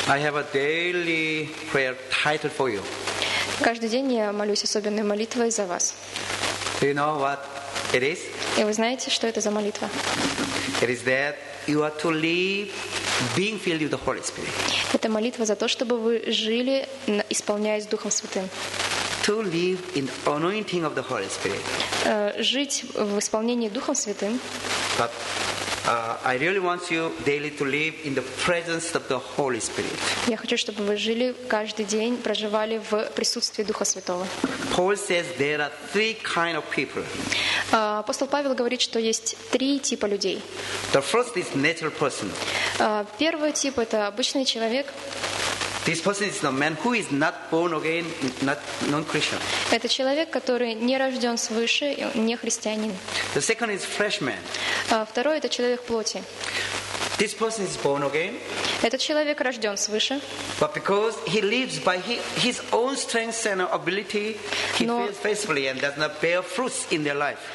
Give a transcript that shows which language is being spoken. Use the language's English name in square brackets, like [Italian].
[English] I have a daily prayer title for you. [Russian] Каждый день я молюсь особенной молитвой за вас. [English] Do you know what it is? [Russian] И вы знаете, что это за молитва? [English] It is that you are to live being filled with the Holy Spirit. [Russian] Это молитва за то, чтобы вы жили, исполняясь Духом Святым. [English] To live in anointing of the Holy Spirit. [Russian] Жить в исполнении Духом Святым. [English] But I really want you daily to live in the presence of the Holy Spirit. [Russian] Я хочу, чтобы вы жили каждый день, проживали в присутствии Духа Святого. [English] Paul says there are three kind of people. [Russian] Апостол Павел говорит, что есть три типа людей. [English] The first is natural person. [Russian] Первый тип — это обычный человек. [English] This person is a man who is not born again, not non-Christian. [Russian] Это человек, который не рожден свыше, не христианин. [English] The second is flesh man. [Russian] Второй — это человек плоти. [English] This person is born again. [Russian] Этот человек рожден свыше. [English] But because he lives by his own strength and ability, he fails faithfully and does not bear fruits in their life.